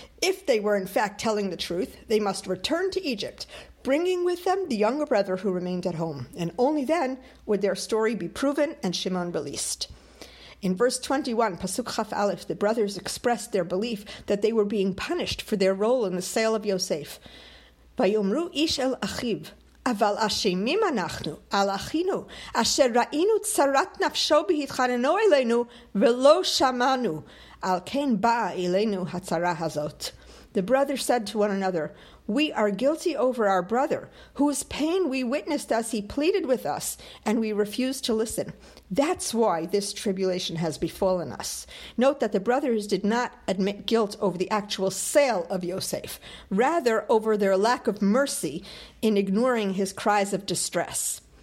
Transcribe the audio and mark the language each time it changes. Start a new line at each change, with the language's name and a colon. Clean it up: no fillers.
English: If they were in fact telling the truth, they must return to Egypt, bringing with them the younger brother who remained at home, and only then would their story be proven and Shimon released. In verse 21, Pasuk Chaf Aleph, the brothers expressed their belief that they were being punished for their role in the sale of Yosef.
Hebrew: Vayomru ish el achiv, אבל אשמים אנחנו על אחינו, אשר ראינו צרת נפשו בהתחננו אלינו ולא שמענו. על כן באה אלינו הצרה הזאת.
English: The brother said to one another, "We are guilty over our brother, whose pain we witnessed as he pleaded with us, and we refused to listen. That's why this tribulation has befallen us." Note that the brothers did not admit guilt over the actual sale of Yosef, rather over their lack of mercy in ignoring his cries of distress.